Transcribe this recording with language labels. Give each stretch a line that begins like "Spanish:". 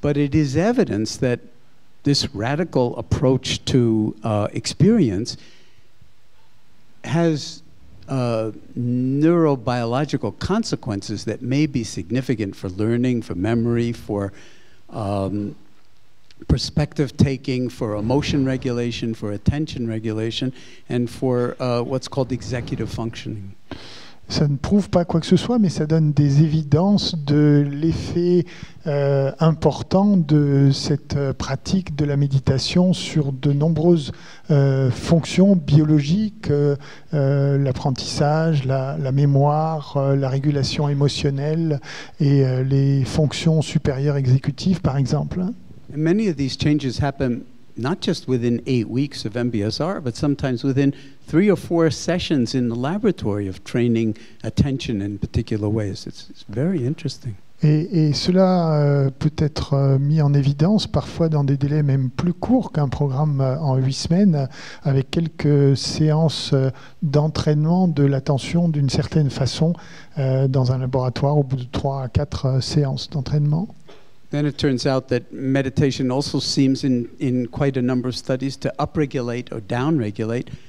English: But it is evidence that this radical approach to experience has neurobiological consequences that may be significant for learning, for memory, for perspective taking, for emotion regulation, for attention regulation, and for what's called executive functioning.
French: Ça ne prouve pas quoi que ce soit, mais ça donne des évidences de l'effet important de cette pratique de la méditation sur de nombreuses fonctions biologiques, l'apprentissage, la mémoire, la régulation émotionnelle et les fonctions supérieures exécutives, par exemple.
English: And many of these changes happen not just within 8 weeks of MBSR, but sometimes within 3 or 4 sessions in the laboratory of training attention in particular ways. It's very interesting.
French: Et cela peut être mis en évidence parfois dans des délais même plus courts qu'un programme en 8 semaines, avec quelques séances d'entraînement de l'attention d'une certaine façon dans un laboratoire au bout de 3 à 4 séances d'entraînement.
English: Then it turns out that meditation also seems in quite a number of studies to upregulate or downregulate